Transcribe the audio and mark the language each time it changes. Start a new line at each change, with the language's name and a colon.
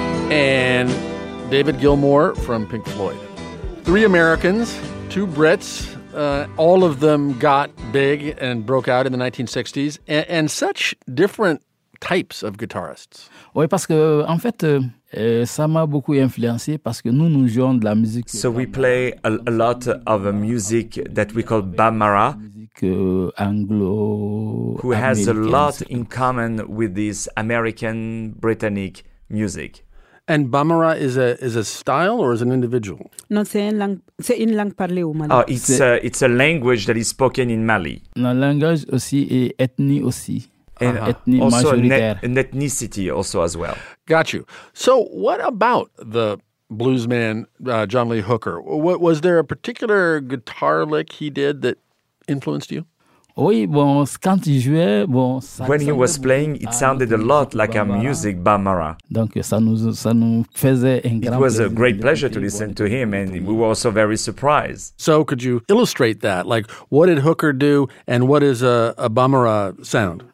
English: And David Gilmour from Pink Floyd. Three Americans, two Brits, all of them got big and broke out in the 1960s. And such different types of guitarists.
French: Oui, parce que, en fait... ça m'a beaucoup influencé parce que nous, nous jouons de la musique.
English: So we play a lot of a music that we call Bambara. Anglo. Who has a lot in common with this American, Britannic music. And Bambara is a style or is an individual?
French: Non, c'est une langue parlée au Mali.
English: Oh, it's a language that is spoken in Mali.
French: La langage aussi et ethnie aussi.
English: And also an ethnicity also as well. Got you. So what about the blues man, John Lee Hooker. What, was there a particular guitar lick he did that influenced you?
French: Oui, bon, quand il jouait, bon,
English: ça, when he was playing, it sounded a lot like a music Bambara.
French: Donc, ça nous faisait un grand
English: it was a great pleasure to listen to him, and we were also very surprised. So could you illustrate that? Like, what did Hooker do, and what is a Bambara sound?